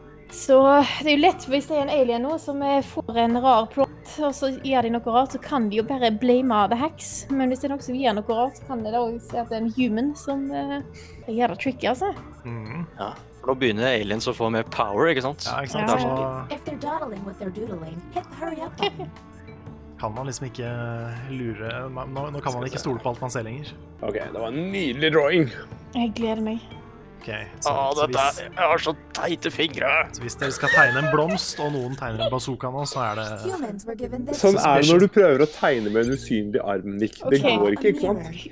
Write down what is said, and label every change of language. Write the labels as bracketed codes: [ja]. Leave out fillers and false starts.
[no] Så det er jo lett hvis det er en alien nå som får en rar plot, og så gjør de noe rart, så kan de jo bare [en] blame the hacks. [no] Men hvis det er noe som gjør noe rart, så kan det da også si at det er en human som gjør det tricky, altså. Ja, for da begynner aliens å få mer power, ikke sant? Ja, ikke sant? Ja. [en] If they're dawdling with their doodling, hurry up. [no] Kan man liksom ikke lure... Nå kan man ikke stole på alt man ser lenger. Ok, det var en nydelig drawing. Jeg gleder meg. Ok. Jeg har så teite fingre. Så hvis dere skal tegne en blomst, og noen tegner en bazooka nå, så er det... Sånn er det når du prøver å tegne med en usynlig arm, Nick. Det okay. Går ikke, ikke sant?